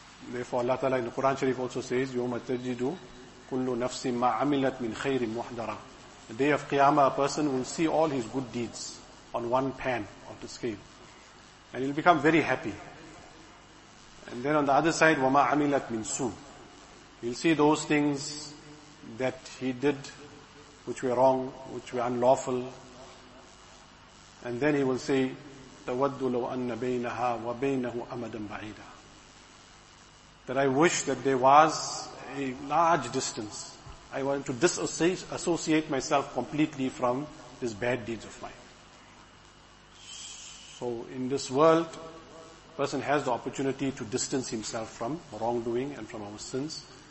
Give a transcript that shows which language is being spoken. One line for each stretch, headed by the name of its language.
English: Therefore, Allah Ta'ala in the Quran Sharif also says,
Arabic: يُوْمَ تَجِدُ كُلُّ نَفْسٍ مَا عَمِلَتْ مِنْ خَيْرٍ مُحْدَرًا.
English: The day of Qiyamah, a person will see all his good deeds on one pan of the scale, and he'll become very happy. And then on the other side,
Arabic: وَمَا عَمِلَتْ مِنْ سُوءٍ.
English: He'll see those things that he did which were wrong, which were unlawful. And then he will say,
Arabic: تَوَدُّ لَوْ أَنَّ بَيْنَهَا وَبَيْنَهُ أَمَدًا بَعِيدًا.
English: That I wish that there was a large distance. I want to disassociate myself completely from these bad deeds of mine. So in this world, a person has the opportunity to distance himself from wrongdoing and from our sins.